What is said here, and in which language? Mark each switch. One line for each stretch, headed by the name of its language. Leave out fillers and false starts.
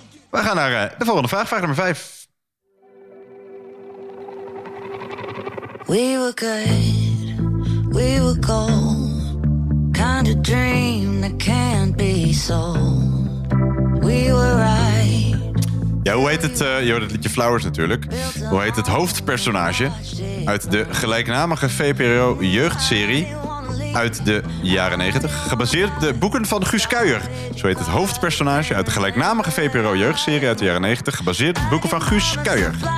Dutch: We gaan naar de volgende vraag. Vraag nummer 5.
English: We were good, we were cold. Kind of dream that can't be sold. We were right.
Dutch: Ja, hoe heet het? Je hoort het liedje Flowers natuurlijk. Hoe heet het hoofdpersonage uit de gelijknamige VPRO jeugdserie uit de jaren 90, gebaseerd op de boeken van Guus Kuijer. Zo heet het hoofdpersonage uit de gelijknamige VPRO-jeugdserie uit de jaren 90, gebaseerd op de boeken van Guus Kuijer.